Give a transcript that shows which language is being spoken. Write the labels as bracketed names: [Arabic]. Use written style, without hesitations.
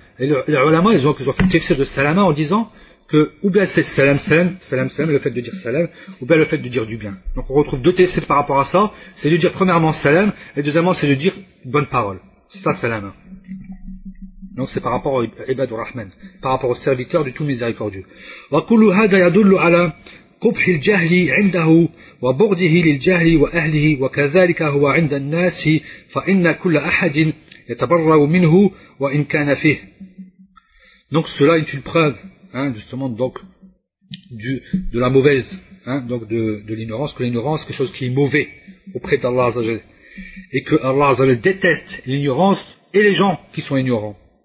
[French] Et les ulama, ils ont fait le tafsir de salama en disant que ou bien c'est salam, le fait de dire salam, ou bien le fait de dire du bien. Donc on retrouve deux tafsir par rapport à ça, c'est de dire premièrement salam, et deuxièmement c'est de dire bonne parole. C'est ça salam. Donc c'est par rapport au Ibad al-Rahman, par rapport au serviteur du tout miséricordieux. [Arabic] Wa kullu hada yadullu ala قبح الجهل عنده وبغضه للجهل وأهله وكذلك هو عند الناس فإن كل أحد يتبرأ منه وإن كان فيه. [French] Donc cela est une preuve hein, justement donc de la mauvaise hein, donc de l'ignorance, que l'ignorance est quelque chose qui est mauvais auprès d'Allah Azza wa Jalla et que Allah Azza wa Jalla déteste l'ignorance et les gens qui sont ignorants.